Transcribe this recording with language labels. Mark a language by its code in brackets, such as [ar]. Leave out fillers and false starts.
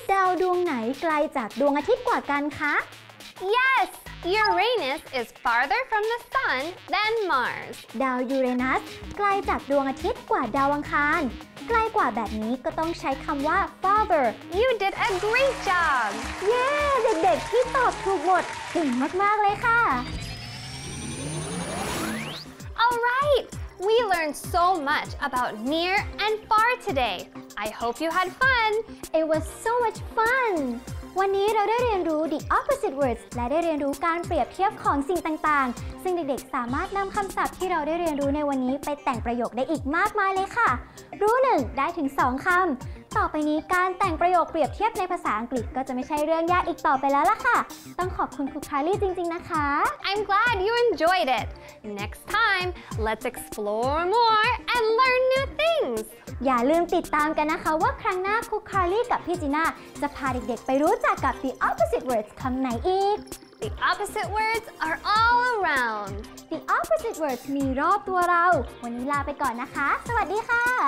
[th] ดาวดวงไหนไกลจากดวงอาทิตย์กว่ากันคะ [en] Yes, Uranus is farther from the sun than Mars. [th] ดาวยูเรนัสไกลจากดวงอาทิตย์กว่าดาวอังคารใกล้กว่าแบบนี้ก็ต้องใช้คำว่า farther. [en] You did a great job. [th] Yeah, เด็กๆที่ตอบถูกหมดเก่งมากๆเลยค่ะ [en] All right, we learned so much about near and far today. I hope you had fun. It was so much fun. [th] วันนี้เราได้เรียนรู้ [en] the opposite words [th] และได้เรียนรู้การเปรียบเทียบของสิ่งต่างๆซึ่งเด็กๆสามารถนำคำศัพท์ที่เราได้เรียนรู้ในวันนี้ไปแต่งประโยคได้อีกมากมายเลยค่ะรู้หนึ่งได้ถึงสองคำต่อไปนี้การแต่งประโยคเปรียบเทียบในภาษาอังกฤษก็จะไม่ใช่เรื่องยากอีกต่อไปแล้วล่ะค่ะต้องขอบคุณครูคารี่จริงๆนะคะ [en] I'm glad you enjoyed it next time let's explore more and learn new things [th] อย่าลืมติดตามกันนะคะว่าครั้งหน้าครูคาร์ลี่กับพี่จีน่าจะพาเด็กๆไปรู้จักกับ [en] the opposite words [th] คำไหนอีก [en] the opposite words are all around the opposite words [th] มีรอบตัวเราวันนี้ลาไปก่อนนะคะสวัสดีค่ะ